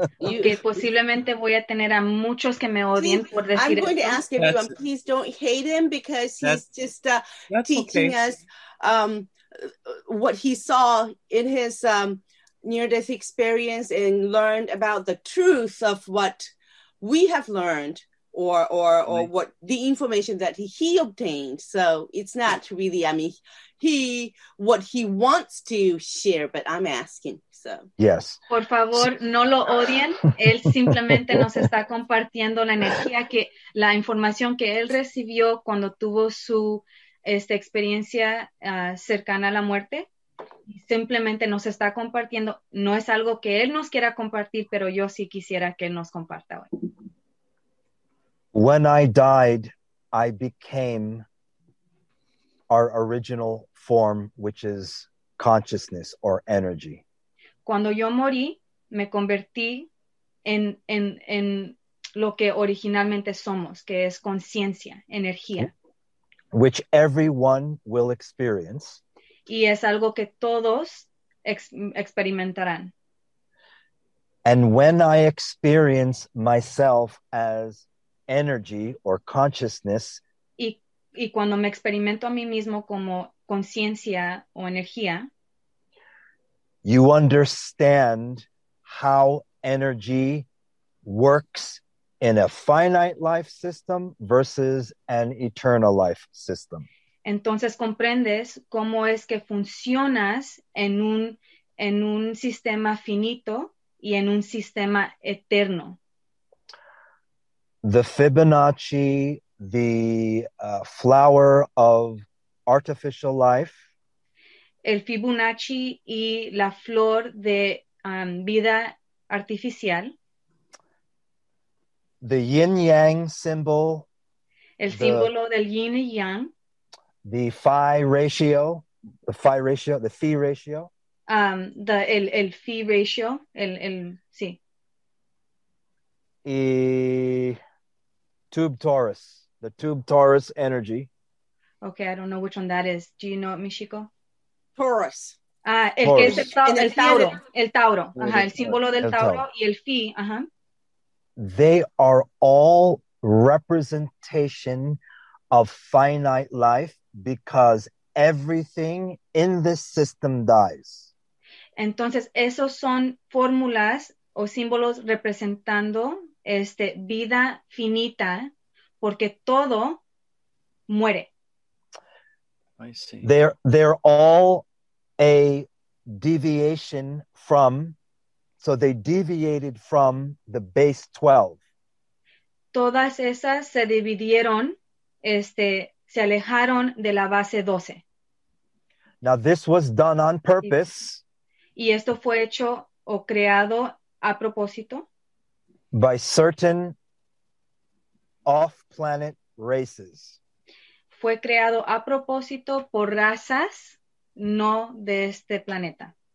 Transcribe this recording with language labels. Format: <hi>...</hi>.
<es>Que posiblemente voy a tener a muchos que me odien por decir.</es> <en>I'm going to ask everyone, please don't hate him because he's just teaching us what he saw in his near-death experience and learned about the truth of what we have learned or what the information that he obtained. So it's not really, I mean, what he wants to share, but I'm asking. So. Yes.</en> <es>Por favor, no lo odien. Él simplemente nos está compartiendo la energía que la información que él recibió cuando tuvo su experiencia cercana a la muerte. Simplemente nos está compartiendo. No es algo que él nos quiera compartir, pero yo sí quisiera que él nos comparta hoy.</es> <en>When I died, I became our original form, which is consciousness or energy.</en> <es>Cuando yo morí, me convertí en lo que originalmente somos, que es conciencia, energía.</es> <en>Which everyone will experience.</en> <es>Y es algo que todos experimentarán.</es> <en>And when I experience myself as energy or consciousness.</en> <es>Y cuando me experimento a mí mismo como conciencia o energía.</es> <en>You understand how energy works in a finite life system versus an eternal life system.</en> <es>Entonces comprendes cómo es que funcionas en un sistema finito y en un sistema eterno.</es> <en>The Fibonacci, the flower of artificial life.</en> <es>El Fibonacci y la flor de vida artificial.</es> <en>The yin-yang symbol.</en> <es>El símbolo del yin y yang.</es> <en>The phi ratio. The phi ratio.</en> <es>el fee ratio, el sí.</es> <en>Y tube torus, the tube torus energy. Okay, I don't know which one that is. Do you know it, Michiko? Torus.</en> <es>Ah, el Taurus. Que es el Tauro, el Tauro, ajá, el símbolo del Tauro y el Fi, ajá.</es> <en>They are all representation of finite life because everything in this system dies.</en> <es>Entonces, esos son fórmulas o símbolos representando vida finita porque todo muere.</es> <en>I see. They're all a deviation from, so they deviated from the base 12.</en> <es>Todas esas se dividieron, se alejaron de la base 12.</es> <en>Now this was done on purpose.</en> <es>Y esto fue hecho o creado a propósito.</es> <en>By certain off-planet races.</en> <es>Fue creado a propósito por razas no de este planeta.</es>